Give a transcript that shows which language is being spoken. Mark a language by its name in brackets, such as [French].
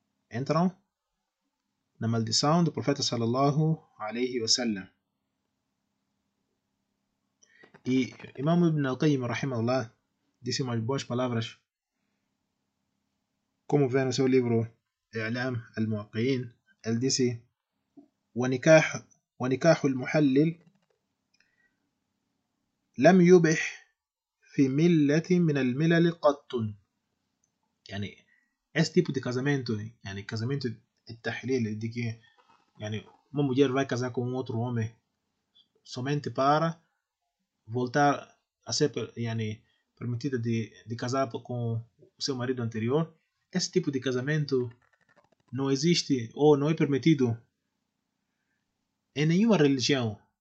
[Portuguese] Entram na maldição do profeta sallallahu alaihi wasallam. E Imam Ibn al-Qayyim rahimahullah disse umas boas palavras, como vê no seu livro I'lam al-Muwaqqi'in. Ele disse: [Arabic] ونكاح المحلل لم يبح في ملة من الملل قط. [Portuguese] يعني esse tipo de casamento, yani casamento de tahlil, de que uma mulher vai casar com um outro homem somente para voltar a ser permitida de casar com o seu marido anterior, esse tipo de casamento não existe ou não é permitido em nenhuma religião.